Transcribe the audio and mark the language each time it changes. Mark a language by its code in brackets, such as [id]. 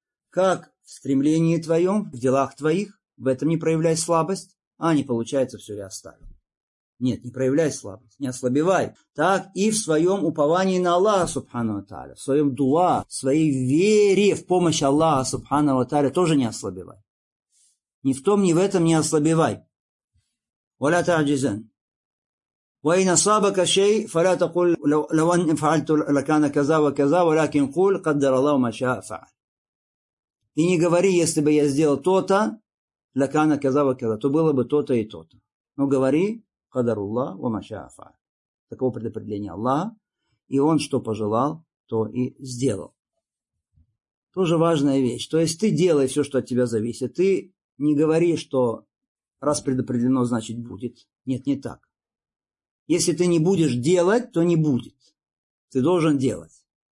[ru] Как в стремлении твоем, в делах твоих, в этом не проявляй слабость, а не получается, все, я оставил. Нет, не проявляй слабость, не ослабевай. Так и в своем уповании на Аллаха, субхану ва тааля, в своем дуа, в своей вере в помощь Аллаха, субхану ва тааля, тоже не ослабевай. Ни в том, ни в этом не ослабевай. Валя таджизан. [ar] وإن أصابك شيء فلا تقول لو أن فعلت لكان كذا وكذا ولكن قل قدر الله ما شاء فعل. [ru] И не говори, если бы я сделал то-то, [ar] لكان كذا وكذا, [ru] то было бы то-то и то-то. Но говори [ar] قدر الله وما شاء فعل. [ru] Таково предопределение Аллаха, и он что пожелал, то и сделал. Тоже важная вещь. То есть ты делай все, что от тебя зависит. Ты не говори, что раз предопределено, значит будет. Нет, не так. Если ты не будешь делать, то не будет. Ты должен делать.